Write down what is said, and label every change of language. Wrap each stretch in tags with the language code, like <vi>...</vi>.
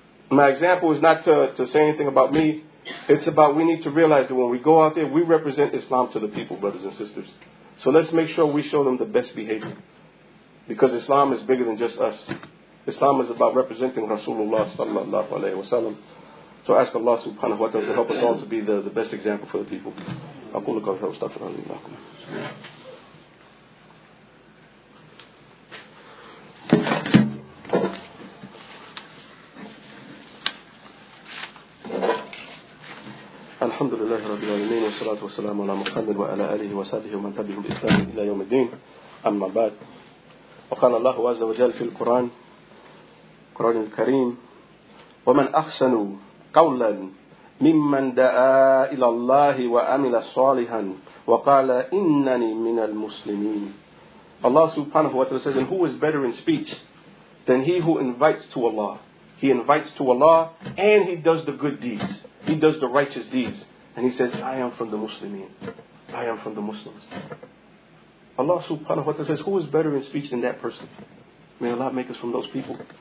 <en>My example is not to say anything about me. It's about we need to realize that when we go out there, we represent Islam to the people, brothers and sisters. So let's make sure we show them the best behavior. Because Islam is bigger than just us. Islam is about representing Rasulullah sallallahu alayhi wa sallam. So ask Allah subhanahu wa ta'ala to help us all to be the best example for the people.</en> <ar>أقول قول فهو استغفر الله لكم. الحمد لله رب العالمين والصلاة والسلام على محمد وعلى آله وصحبه ومن تبعهم بإحسان إلى يوم الدين. أما بعد. وقال الله عز وجل في القرآن القرآن الكريم ومن أحسن قولا ممن دعا إلى الله وعمل صالحا وقال إنني من المسلمين.</ar> <en>Allah subhanahu wa ta'ala says, and who is better in speech than he who invites to Allah? He invites to Allah and he does the good deeds. He does the righteous deeds. And he says, I am from the Muslimin. I am from the Muslims. Allah subhanahu wa ta'ala says, who is better in speech than that person? May Allah make us from those people.</en>